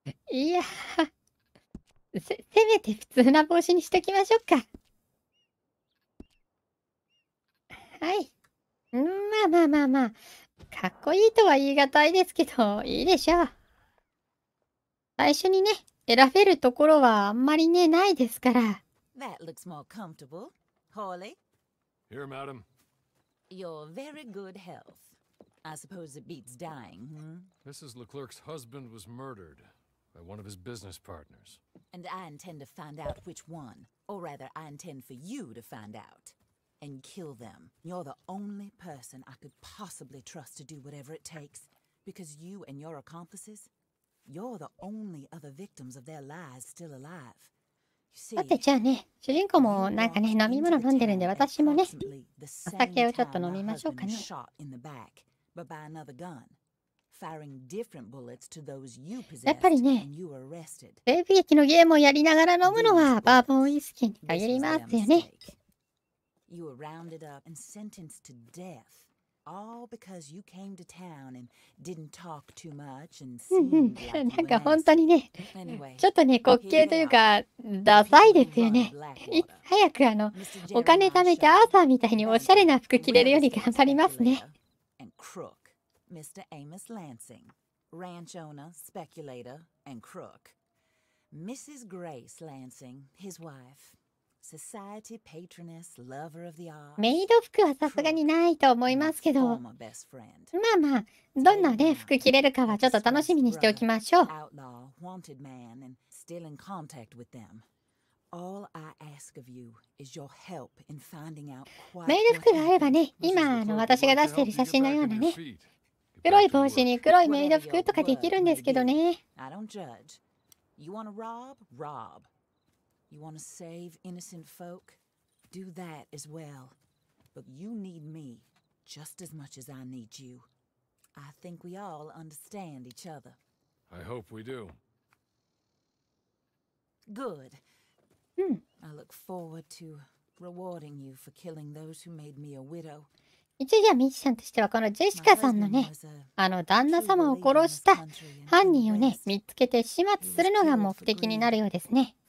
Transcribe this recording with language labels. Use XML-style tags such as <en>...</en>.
<ja>いやせめて普通な帽子にしときましょうか。はい。まあ。かっこいいとは言い難いですけど、いいでしょう。最初にね、選べるところはあんまりね、ないですから。</ja> <en>That looks more comfortable, Hawley. Here, madam. Your very good health. I suppose it beats dying, hmm? Mrs. Leclerc's husband was murdered by one of his business partners. And I intend to find out which one. Or rather, I intend for you to find out. And kill them. You're the only person I could possibly trust to do whatever it takes. Because you and your accomplices, you're the only other victims of their lies still alive.</en> <ja>さて、じゃあね、主人公もなんかね、飲み物飲んでるんで、私もね、お酒をちょっと飲みましょうかね。</ja> <en>shot in the back, but by another gun, firing different bullets to those you possessed when you were arrested.</en> <ja>やっぱりね、西部劇のゲームをやりながら飲むのはバーボンウイスキーに限りますよね。</ja> <en>You were rounded up and sentenced to death, all because you came to town and didn't talk too much and seemed like a mess.</en> <ja>なんか本当にね、ちょっとね、滑稽というか、ダサいですよね。早くお金貯めてアーサーみたいにおしゃれな服着れるように頑張りますね。</ja> <en>And crook, Mr. Amos Lansing. ranch owner, speculator, and crook. Mrs. Grace Lansing, his wife. Society patroness, lover of the arts.</en> <ja>メイド服はさすがにないと思いますけど。まあまあ、どんなね、服着れるかはちょっと楽しみにしておきましょう。</ja> <en>Outlaw, wanted man, and still in contact with them. All I ask of you is your help in finding out quite what happened.</en> <ja>メイド服があればね、今の私が出している写真のようなね。黒い帽子に黒いメイド服とかできるんですけどね。</ja> <en>I don't judge. You wanna rob? Rob. You want to save innocent folk? Do that as well. But you need me just as much as I need you. I think we all understand each other. I hope we do. Good. I look forward to rewarding you for killing those who made me a widow.</en> <ja>一時はミッションとしてはこのジェシカさんのね、あの旦那様を殺した犯人をね、見つけて始末するのが目的になるようですね。</ja>